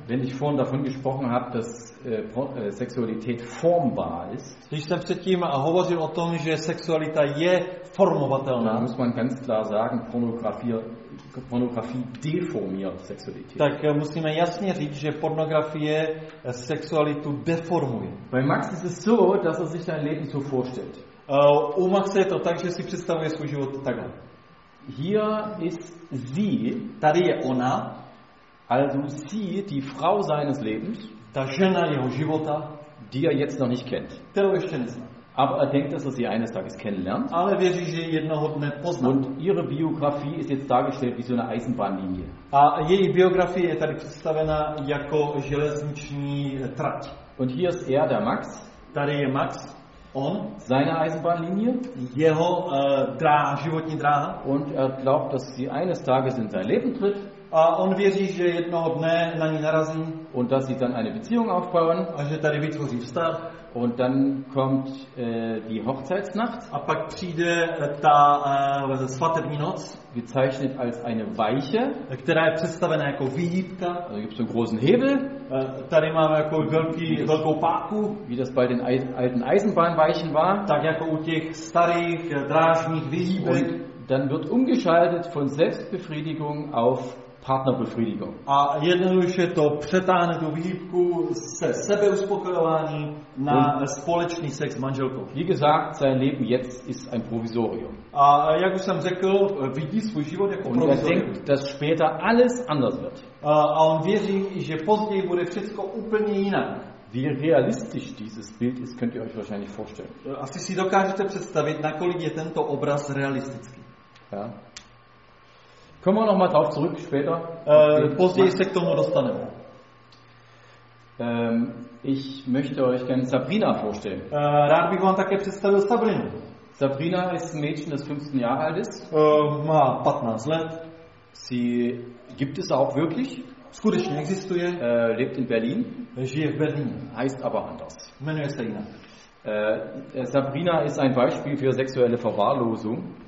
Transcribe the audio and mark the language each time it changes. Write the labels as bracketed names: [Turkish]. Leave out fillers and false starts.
[German] Wenn ich vorhin davon gesprochen habe, dass Sexualität formbar ist. [Czech] Když jsem předtím hovořil o tom, že sexualita je formovatelná. [German] Da muss man ganz klar sagen, Pornografie deformiert Sexualität. [Czech] Tak musíme jasně říct, že pornografie sexualitu deformuje. [German] Bei Max ist es so, dass er sich sein Leben so vorstellt. [Czech] U Maxe je to tak, že si představuje svůj život takhle. [German] Hier ist sie, [Czech] tady je ona, [German] also sie, die Frau seines Lebens, [Czech] ta žena jeho života, [German] die er jetzt noch nicht kennt. [Czech] Kterou ještě nezná. [German] Aber er denkt, dass er sie eines Tages kennenlernt. [Czech] Ale věří, že jednoho dne pozná. [German] Und ihre Biografie ist jetzt dargestellt wie so eine Eisenbahnlinie. [Czech] A její biografie je tady představena jako železniční trať. [German] Und hier ist er, der Max. [Czech] Tady je Max. On, [German] seine Eisenbahnlinie, [Czech] jeho životní dráha, [German] und er glaubt, dass sie eines Tages in sein Leben tritt, [Czech] a on věří, že jednoho dne na ní narazí, [German] und dass sie dann eine Beziehung aufbauen, [Czech] a že tady vytvoří vztah, [German] und dann kommt die Hochzeitsnacht, [Czech] a pak přijde ta svatební noc, [German] gezeichnet als eine Weiche, [Czech] která je představena jako výhybka, [German] da gibt's einen großen Hebel. [Czech] Tady máme jako velkou páku, [German] wie das bei den alten Eisenbahnweichen war, [Czech] tak jako u těch starých drážních výhybek. [German] Dann wird umgeschaltet von Selbstbefriedigung auf Partnerbefriedigung. [Czech] A jednoduše to přetáhne tu výhybku se sebeuspokojování na společný sex s manželkou. [German] Wie gesagt, sein Leben jetzt ist ein Provisorium. [Czech] A jak už jsem řekl, vidí svůj život jako provizorium. [German] Und er denkt, dass später alles anders wird. [Czech] A on věří, že později bude všechno úplně jinak. [German] Wie realistisch dieses Bild ist, könnt ihr euch wahrscheinlich vorstellen. [Czech] Asi si dokážete představit, nakolik je tento obraz realistický. [German] Ja. Kommen wir noch mal drauf zurück später. [Czech] Později se k tomu dostaneme. [German] Ich möchte euch gerne Sabrina vorstellen. [Czech] Rád bych vám také představil Sabrinu. [German] Sabrina ist ein Mädchen, das 15 Jahre alt ist. [Czech] Má 15 let. [German] Sie gibt es auch wirklich. [Czech] Skutečně existuje. [German] Lebt in Berlin. [Czech] Žije v Berlíně. [German] Heißt aber anders. [Czech] Jmenuje se jinak. [German] Sabrina ist ein Beispiel für sexuelle Verwahrlosung.